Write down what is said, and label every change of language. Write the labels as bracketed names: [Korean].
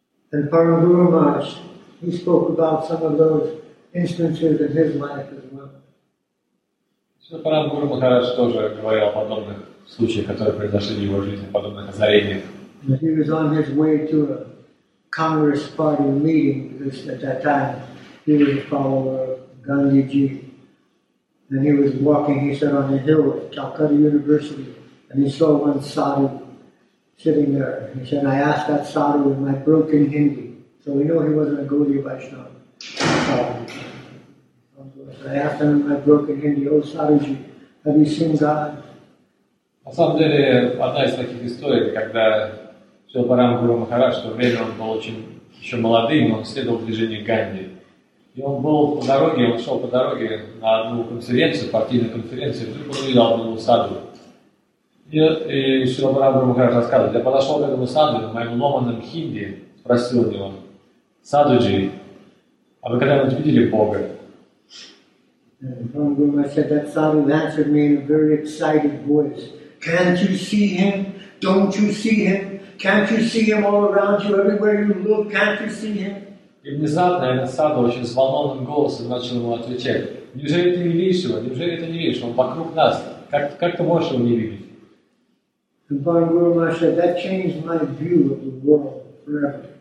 [English] And Param Guru Maharaj, he spoke about some of those instances in his life as well. [Russian] Шрила Гуру Махарадж тоже говорил о подобных случаях, которые произошли в его жизни, подобных озарениях. [English] He was on his way to a Congress party meeting at that time. He was a follower of Gandhiji. And he was walking, he said, on the hill at Calcutta University. And he saw one sadhu sitting there. He said, I asked that sadhu in my broken Hindi. So we know he wasn't a Gaudiya Vaishnava. I asked him in my broken Hindi, oh Saruji, have you seen God? [Russian] На самом деле, одна из таких историй, когда Шрила Парам Гуру Махарадж, в то время он был очень еще молодым, он следовал движению Ганди. И он был по дороге, он шел по дороге на одну конференцию, партийную конференцию, и вдруг он увидел одну саду. И Шрила Парам Гуру Махарадж рассказывает, я подошел к этому саду, на моем ломаном Хинди, спросил у него, Саруджи, а вы когда-нибудь видели Бога? [English] And Ram Guru said that sadhu answered me in a very excited voice. Can't you see him? Don't you see him? Can't you see him all around you? Everywhere you look, can't you see him? [Russian] И внезапно этот сада очень взволнованным голосом начал ему отвечать. Неужели ты не видишь его? Неужели ты не видишь? Он вокруг нас. Как ты можешь его не видеть? [English] And Ram Guru said that changed my view of the world forever.